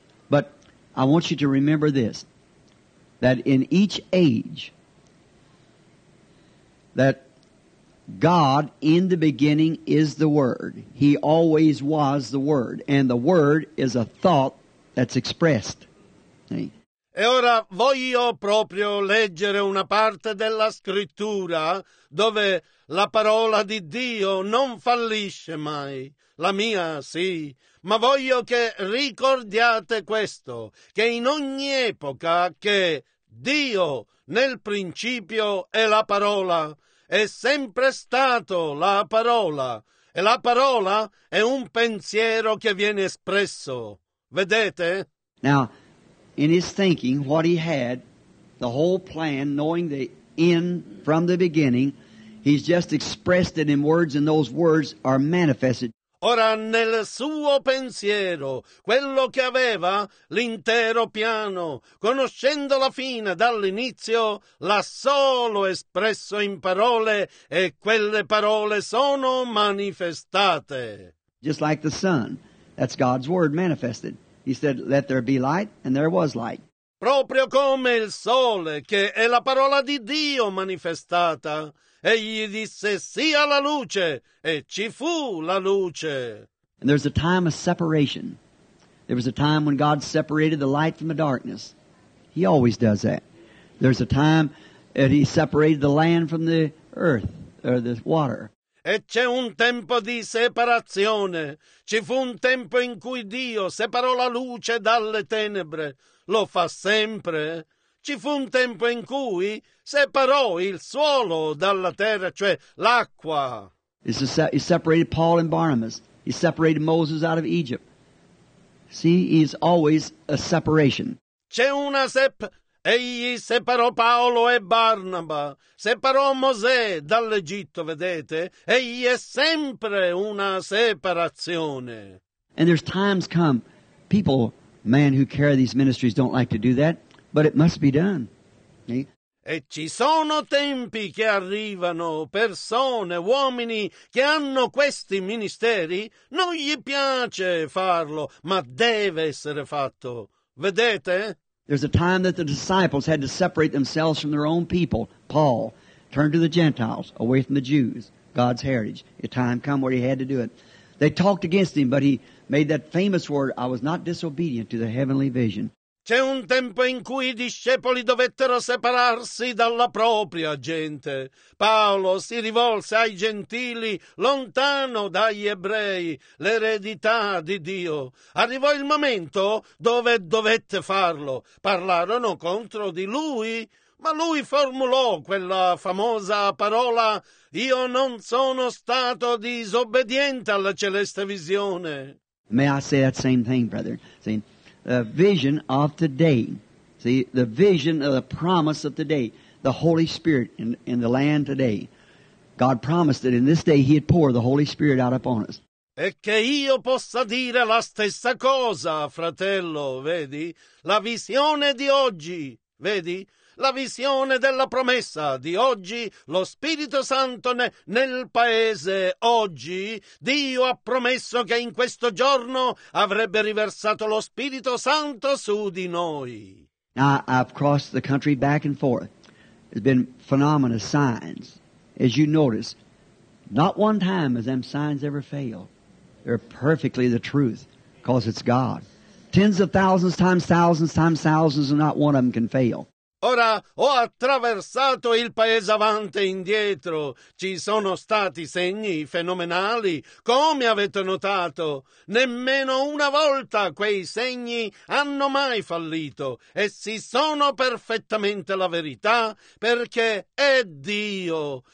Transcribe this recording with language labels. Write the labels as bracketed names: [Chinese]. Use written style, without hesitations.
[English] But I want you to remember this, that in each age, that God in the beginning is the word. He always was the word. And the word is a thought that's expressed. See? [Italian] E ora voglio proprio leggere una parte della scrittura dove la parola di Dio non fallisce mai, la mia sì, ma voglio che ricordiate questo, che in ogni epoca che Dio nel principio è la parola, è sempre stato la parola, e la parola è un pensiero che viene espresso, vedete? [English] Now, in his thinking, what he had, the whole plan, knowing the end from the beginning, he's just expressed it in words, and those words are manifested. [Italian] Ora nel suo pensiero, quello che aveva, l'intero piano, conoscendo la fine dall'inizio, l'ha solo espresso in parole e quelle parole sono manifestate. [English] Just like the sun, that's God's word manifested. He said, let there be light, and there was light. [Italian] Proprio come il sole, che è la parola di Dio manifestata. Egli disse, sia la luce, e ci fu la luce. [English] And there's a time of separation. There was a time when God separated the light from the darkness. He always does that. There's a time that he separated the land from the earth, or the water. [Italian] E c'è un tempo di separazione. Ci fu un tempo in cui Dio separò la luce dalle tenebre. Lo fa sempre. Ci fu un tempo in cui separò il suolo dalla terra, cioè l'acqua. [English] He separated Paul and Barnabas. He separated Moses out of Egypt. See, he's always a separation. [Italian] C'è una Egli separò Paolo e Barnaba, separò Mosè dall'Egitto, vedete? Egli è sempre una separazione. [English] And there's times come, people, man who carry these ministries don't like to do that, but it must be done. See? [Italian] E ci sono tempi che arrivano, persone, uomini che hanno questi ministeri, non gli piace farlo, ma deve essere fatto, vedete? [English] There's a time that the disciples had to separate themselves from their own people. Paul turned to the Gentiles, away from the Jews, God's heritage. A time come where he had to do it. They talked against him, but he made that famous word, I was not disobedient to the heavenly vision. [Italian] C'è un tempo in cui i discepoli dovettero separarsi dalla propria gente. Paolo si rivolse ai gentili, lontano dagli ebrei, l'eredità di Dio. Arrivò il momento dove dovette farlo. Parlarono contro di lui, ma lui formulò quella famosa parola, io non sono stato disobbediente alla celeste visione. [English] May I say that same thing, brother? See? The vision of today, see, the vision of the promise of today, the Holy Spirit in the land today. God promised that in this day He'd pour the Holy Spirit out upon us. [Italian] E che io possa dire la stessa cosa, fratello, vedi? La visione di oggi, vedi? La visione della promessa di oggi, lo Spirito Santo nel paese oggi, Dio ha promesso che in questo giorno avrebbe riversato lo Spirito Santo su di noi. [English] Now, I've crossed the country back and forth. There's been phenomenal signs. As you notice, not one time has them signs ever failed. They're perfectly the truth, because it's God. Tens of thousands, thousands, and not one of them can fail. [Italian] Ora ho attraversato il paese avanti e indietro. Ci sono stati segni fenomenali, come avete notato. Nemmeno una volta quei segni hanno mai fallito. Essi sono perfettamente la verità, perché è Dio.